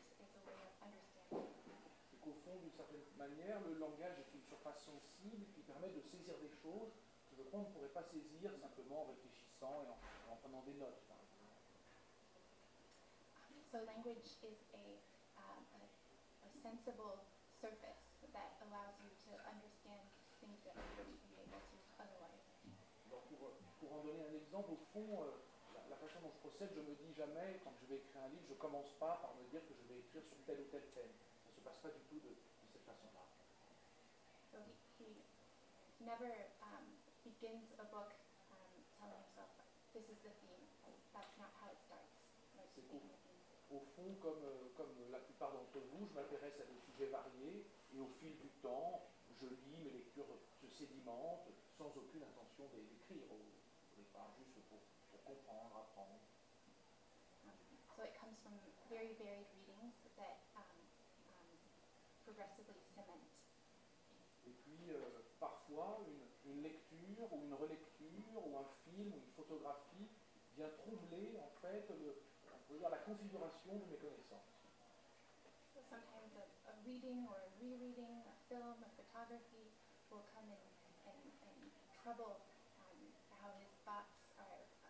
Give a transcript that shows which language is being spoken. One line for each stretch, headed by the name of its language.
French: C'est qu'au fond, d'une certaine manière, le langage est une surface sensible qui permet de saisir des choses que je crois qu'on ne pourrait pas saisir simplement en réfléchissant et en prenant des notes, par exemple.
English: So language is a sensible surface that allows you to understand things that you wouldn't be able to otherwise.
French: Donc pour en donner un exemple, au fond, la façon dont je procède, je me dis jamais, quand je vais écrire un livre, je ne commence pas par me dire que je vais écrire sur tel ou tel thème. Ça ne se passe pas du tout de cette façon-là.
English: So he never begins a book telling himself, this is the theme. That's not how it starts.
French: C'est au fond, comme la plupart d'entre vous, je m'intéresse à des sujets variés, et au fil du temps, je lis, mes lectures se sédimentent, sans aucune intention d'écrire au départ, juste pour.
English: So it comes from very varied readings that progressively cement.
French: Et puis parfois une lecture ou une relecture ou un film ou une photographie vient troubler en fait la configuration de mes connaissances.
English: So sometimes a reading or a rereading, a film, a photography will come and trouble how his thoughts are.